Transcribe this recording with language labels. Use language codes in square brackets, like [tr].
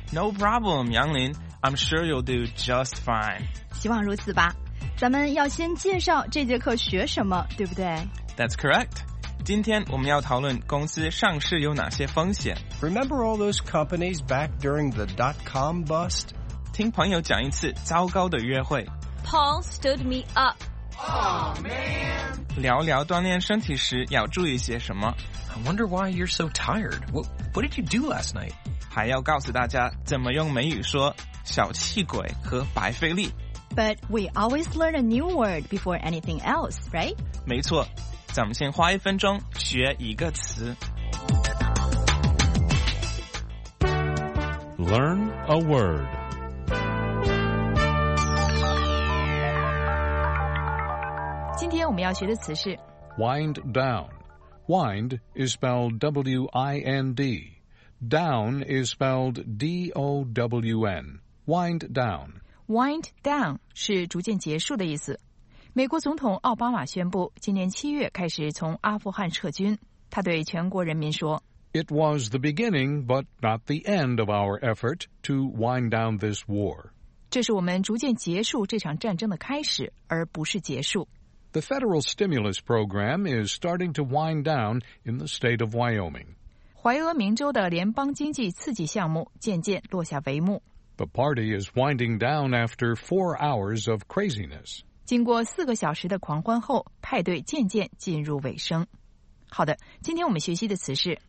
[en] No problem 杨林 I'm sure you'll do just fine [zh] 希望如此吧咱们要先介绍这节课学什么对不对 [en] That's correct [zh] 今天我们要讨论公司上市有哪些风险 [en] Remember all those companies back during the dot-com bust? [zh] 听朋友讲一次糟糕的约会 [en] Paul stood me up Aw、oh, man [zh] 聊聊锻炼身体时要注意些什么 [en] I wonder why you're so tired What did you do last night? [zh] 还要告诉大家怎么用美语说小气鬼和白费力 [en] But we always learn a new word before anything else, right? [zh] 没错咱们先花一分钟学一个词 [en] Learn a word [zh] 今天我们要学的词是 [en] Wind down Wind is spelled W-I-N-D Down is spelled D-O-W-N Wind down [zh] Wind down 是逐渐结束的意思美国总统奥巴马宣布今年七月开始从阿富汗撤军他对全国人民说 [en] It was the beginning but not the end of our effort to wind down this war [zh] 这是我们逐渐结束这场战争的开始而不是结束 [en] The federal stimulus program is starting to wind down in the state of Wyoming [zh] 怀俄明州的联邦经济刺激项目渐渐落下帷幕 [en] The party is winding down after 4 hours of craziness [zh] 经过四个小时的狂欢后派对渐渐进入尾声好的今天我们学习的词是